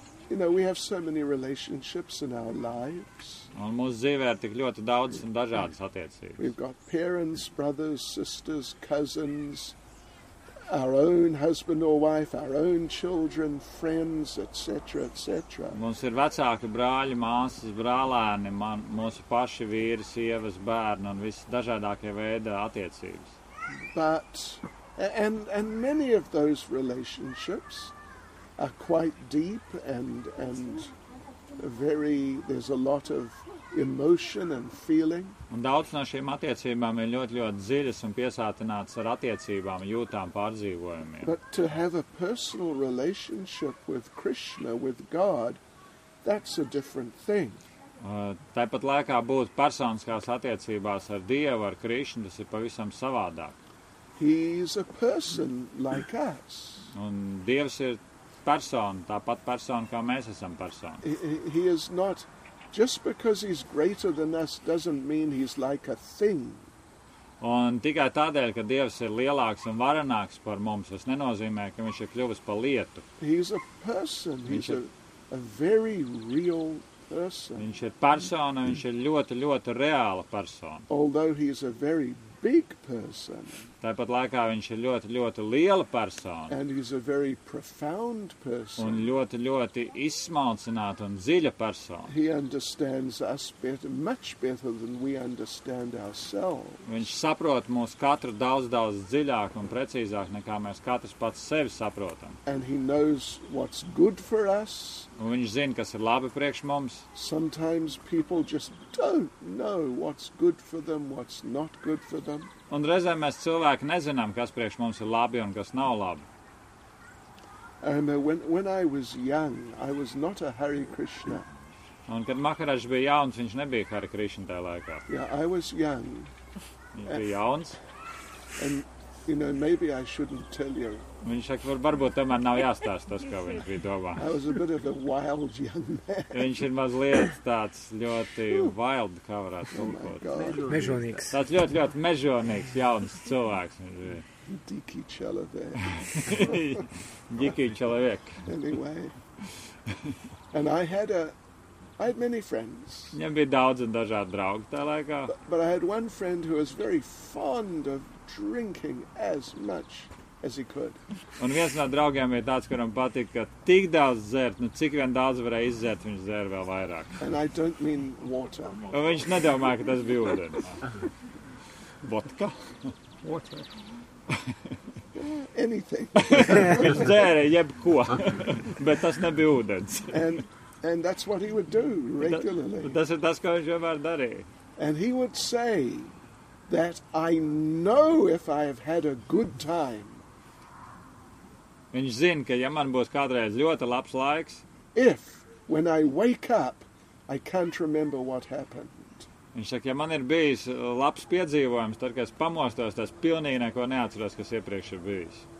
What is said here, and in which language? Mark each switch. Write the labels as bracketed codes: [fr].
[en] You know, we have so many relationships in our lives. [lv] Un mūsu dzīvē ir tik ļoti daudz un dažādas attiecības. [en] We've got parents, brothers, sisters, cousins, our own husband or wife, our own children, friends, etc., etc. [lv] Mums ir vecāki brāļi, māsas, brālēni, mūsu paši vīri, sievas, bērni un visi dažādākie veidi attiecības. [en] But, and many of those relationships are quite deep and very, there's a lot of emotion and feeling. [lv] Un daudz no šīm attiecībām ir ļoti, ļoti dziļas un piesātinātas ar attiecībām, jūtām, pārdzīvojumiem. [en] But to have a personal relationship with Krishna, with God, that's a different thing. [lv] Tāpat laikā būt personiskās attiecībās ar Dievu, ar Krishna, tas ir pavisam savādāk. [en] He is a person like us. [lv] Un Dievs ir persona, tāpat persona, kā mēs esam persona. [en] He is not, just because he's greater than us, doesn't mean he's like a thing. [lv] Un tikai tādēļ, ka Dievs ir lielāks un varenāks par mums, tas nenozīmē, ka viņš ir kļuvis par lietu. [en] He's a person, he's a very real person. [lv] Viņš ir persona, viņš ir ļoti, ļoti reāla persona. [en] Although he is a very big person. [lv] Tāpat laikā viņš ir ļoti, ļoti liela persona. [en] And he's a very profound person. [lv] Un ļoti, ļoti izsmalcināta un dziļa persona. [en] He understands us better, much better than we understand ourselves. [lv] Viņš saprot mūs katru daudz, daudz dziļāk un precīzāk, nekā mēs katrs pats sevi saprotam. [en] And he knows what's good for us. [lv] Un viņš zina, kas ir labi priekš mums. [en] Sometimes people just don't know what's good for them, what's not good for them. [lv] Un reizēm mēs cilvēki nezinām, kas priekš mums ir labi un kas nav labi. [en] And when I was young, I was not a Hare Krishna. [lv] Un kad Maharaj bija jauns, viņš nebija Hare Krishna tajā laikā. [en] Yeah, I was young. [lv] Viņš bija jauns. [en] And, you know, maybe I shouldn't tell you. [lv] Viņš saka, varbūt tomēr nav jāstāst tas, ko viņš bija domā. [en] I was a bit of a wild young man. [lv] Viņš ir mazliet tāds ļoti wild, kā varētu tulkot. Oh, mežonīgs. Tāds ļoti, ļoti mežonīgs, jauns cilvēks. [ru] Diki čelavēk. Diki čelavēk. [en] Anyway. And I had many friends. [lv] Viņam bija daudz un dažādi draugi tā laikā. [en] But I had one friend who was very fond of drinking as much as he could. [lv] Un viens no draugiem ir tāds, kuram patika, ka tik daudz dzert, nu cik vien daudz varēja izdzert, viņš dzēra vēl vairāk. [en] And I don't mean water. [lv] Un viņš nedomā, ka tas bija ūdens. [en] Vodka? Water. Anything. [lv] Viņš dzēra jebko, bet tas nebija ūdens. [en] And that's what he would do regularly. [lv] Tas ir tas, ko viņš vienmēr darīja. [en] And he would say that I know if I have had a good time. [lv] Viņš zina, ka ja man būs kādreiz ļoti labs laiks, [en] if when I wake up, I can't remember what happened. [lv] Viņš saka, ja man ir bijis labs piedzīvojums, tad, kad es pamostos, tas pilnīgi neko neatceros, kas iepriekš ir bijis.